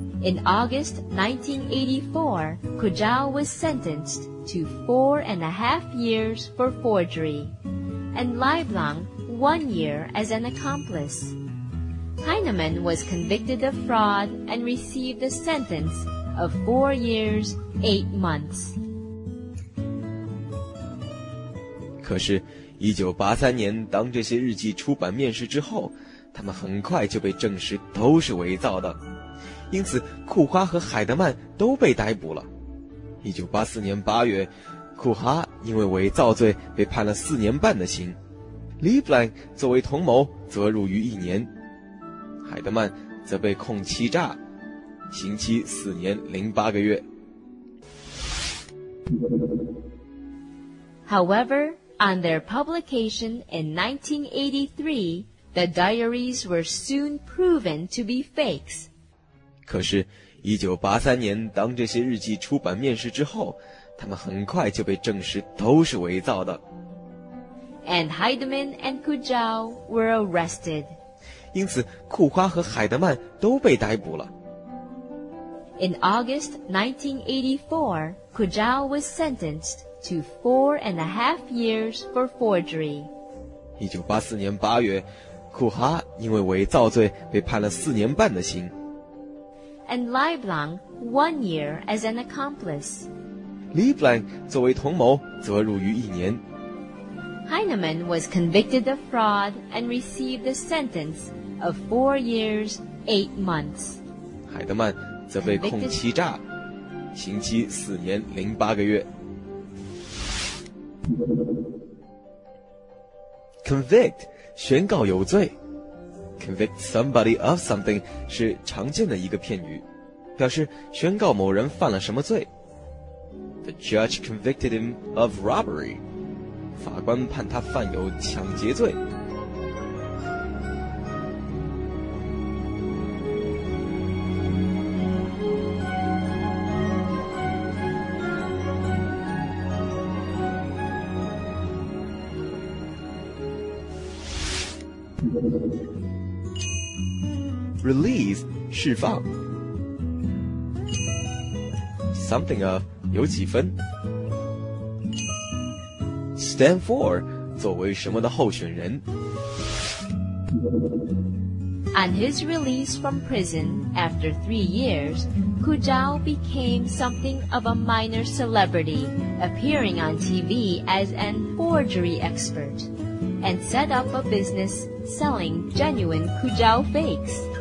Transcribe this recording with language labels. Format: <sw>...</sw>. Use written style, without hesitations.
<en>In August 1984, Kujau was sentenced to 4.5 years for forgery, and Leiblang 1 year as an accomplice. Heinemann was convicted of fraud and received a sentence of 4 years, 8 months.</en> <zh>可是1983年当这些日记出版面世之后，他们很快就被证实都是伪造的，因此库哈和海德曼都被逮捕了。 1984年8月，库哈因为伪造罪被判了4.5年的刑， Leiblang 作为同谋则入狱1年，海德曼则被控欺诈，刑期4年0.8个月。</zh> <en>However, on their publication in 1983, the diaries were soon proven to be fakes.</en> <zh>可是1983年当这些日记出版面世之后，他们很快就被证实都是伪造的。</zh> <en>And Heidemann and Kujau were arrested.</en> <zh>因此库花和海德曼都被逮捕了。</zh> <en>In August 1984, Kujau was sentenced to 4.5 years for forgery.</en> <zh>1984年8月，库哈因为伪造罪被判了4.5年的刑。</zh> <en>And Leiblang, 1 year as an accomplice.</en> <zh>Leiblang 作为同谋则入狱1年。</zh> <en>Heinemann was convicted of fraud and received a sentence of 4 years, 8 months.</en> <zh>海德曼则被控欺诈，刑期4年0.8个月。 Convict, 宣告有罪。</zh> <en>Convict somebody of something</en> <zh>是常见的一个片语，表示宣告某人犯了什么罪。</zh> <en>The judge convicted him of robbery,</en> <zh>法官判他犯有抢劫罪。 Release, 释放。 Something of, 有几分。 Stand for, 作为什么的候选人。</zh> <en>On his release from prison after 3 years, Kujau became something of a minor celebrity, appearing on TV as an forgery expert, and set up a business selling genuine Kujau fakes.</en>